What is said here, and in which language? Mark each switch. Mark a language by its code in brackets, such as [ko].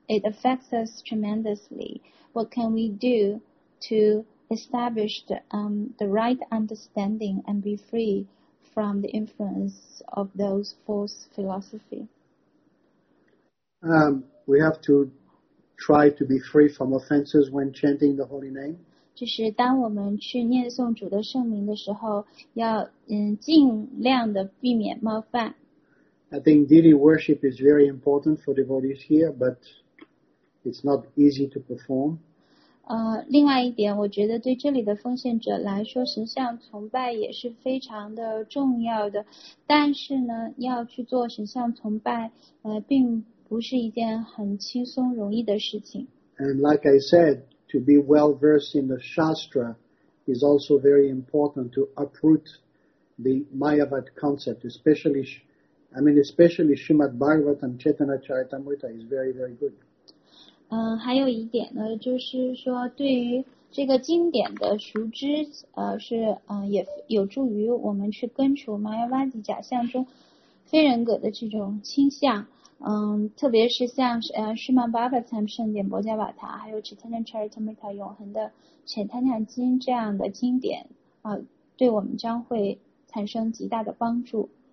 [en] It affects us tremendously. What can we do to establish the right understanding and be free from the influence of those false philosophy? We have to try to be free from offenses when chanting the holy name. [zh] 就是当我们去念诵主的圣名的时候，要尽量的避免冒犯。 [en] I think deity worship is very important for devotees here, but it's not easy to perform. [zh] 另外一点，我觉得对这里的奉献者来说，神像崇拜也是非常的重要的。但是呢，要去做神像崇拜，并不是一件很轻松容易的事情。 [en] And like I said, to be well versed in the Shastra is also very important to uproot the Mayavad concept, especially Shrimad Bhagavatam Chaitanya Charitamrita is very, very good. [zh] 还有一点呢，就是说对于这个经典的熟知，也有助于我们去根除 Mayavadi 假象中非人格的这种倾向。特别是像Srimad Bhagavatam 圣典薄伽瓦塔，还有 Chaitanya Charitamrita 永恒的浅谈谈经这样的经典，对我们将会产生极大的帮助。